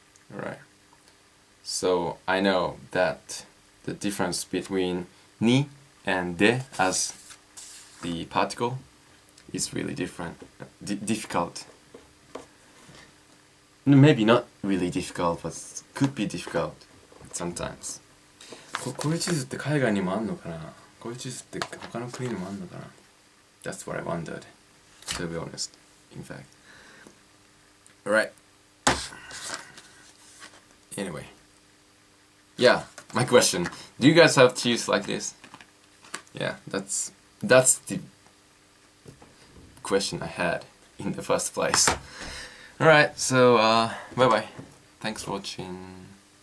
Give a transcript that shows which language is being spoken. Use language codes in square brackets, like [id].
[en] Alright, so I know that the difference between ni and de as the particle is really different, difficult. Maybe not really difficult, but could be difficult sometimes. [ja] こういう地図って海外にもあんのかな?こういう地図って他の国にもあんのかな? [en] That's what I wondered, to be honest, in fact. Alright. Anyway. Yeah, my question. Do you guys have cheese like this? Yeah, that's the question I had in the first place. Alright, so bye bye. Thanks for watching.